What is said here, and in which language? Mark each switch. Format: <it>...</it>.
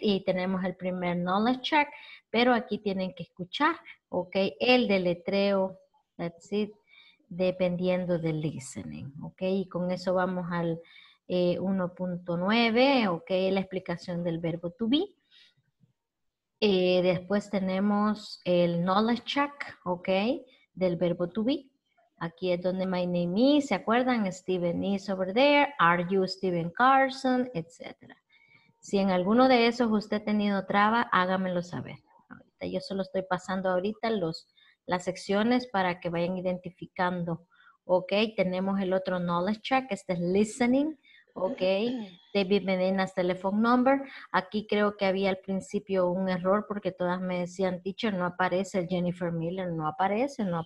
<es>Y tenemos el primer knowledge check, pero aquí tienen que escuchar, ok, el deletreo,</es> <en>that's it,</en> <es>dependiendo del listening, ok? Y con eso vamos al 1.9, ok, la explicación del verbo to be. Después tenemos el knowledge check, ok, del verbo to be. Aquí es donde</es> <en>my name is,</en> <es>¿se acuerdan?</es> <en>Steven is over there, are you Steven Carson, etc.</en> <es>Si en alguno de esos usted ha tenido traba, hágamelo saber. Ahorita yo solo estoy pasando ahorita las secciones para que vayan identificando, ok, tenemos el otro knowledge check, este es listening. Ok,</es> <en>David Medina's telephone number.</en> <es>Aquí creo que había al principio un error porque todas me decían, teacher, no aparece el Jennifer Miller, no aparece.</es>